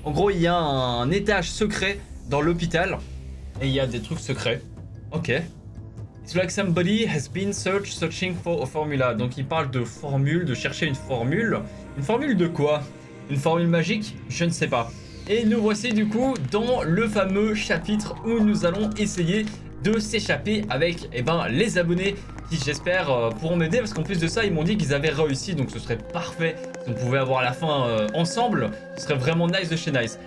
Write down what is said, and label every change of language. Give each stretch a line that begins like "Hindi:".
French: En gros, il y a un étage secret dans l'hôpital et il y a des trucs secrets. Ok.
English: It's like somebody has been searching for a formula.
French: Donc il parle de formule, de chercher une formule. Une formule de quoi? Une formule magique? Je ne sais pas. Et nous voici du coup dans le fameux chapitre où nous allons essayer de s'échapper avec les abonnés qui j'espère pourront m'aider, parce qu'en plus de ça ils m'ont dit qu'ils avaient réussi, donc ce serait parfait si on pouvait avoir la fin ensemble, ce serait vraiment nice de chez nice.